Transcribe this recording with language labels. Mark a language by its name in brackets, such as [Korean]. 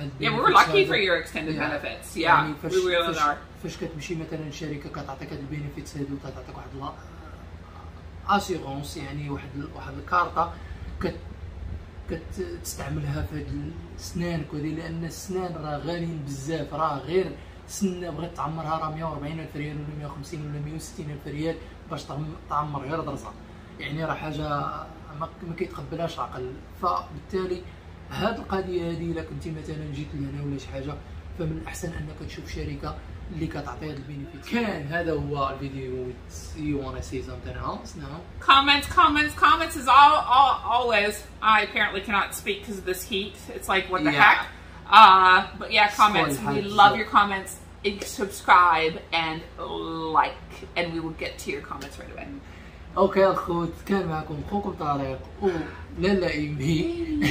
[English] Yeah, we were lucky for your extended benefits. Yeah, [Arabic] يعني فش [English] we really [Arabic] فش are. فاش كتمشي مثلا شركة كتعطيك هاد البينيفيتس هادو كتعطيك واحد أسيغونس يعني واحد الكارطة كتستعملها في هاد السنان وكذي لأن السنان راه غاليين بزاف راه غير سنة بغيت تعمرها راه 140 ألف ريال ولا 150 ولا 160 ألف ريال باش تعمر غير درزة يعني راه حاجة ما كيتقبلهاش عقل فبالتالي هاد القضية هادي إلا كنتي مثلا جيت لهنا ولا شي حاجة فمن الأحسن أنك تشوف شركة اللي كتعطي هاد البينيفيت كان هذا هو الفيديو [English] You wanna say something else now? Comments is always I apparently cannot speak because of this heat it's like what the heck but yeah, comments. We love your comments. Subscribe and like, and we will get to your comments right away. [Arabic] اوكي اخوت كان معكم اخوكم طارق وللا ايمي.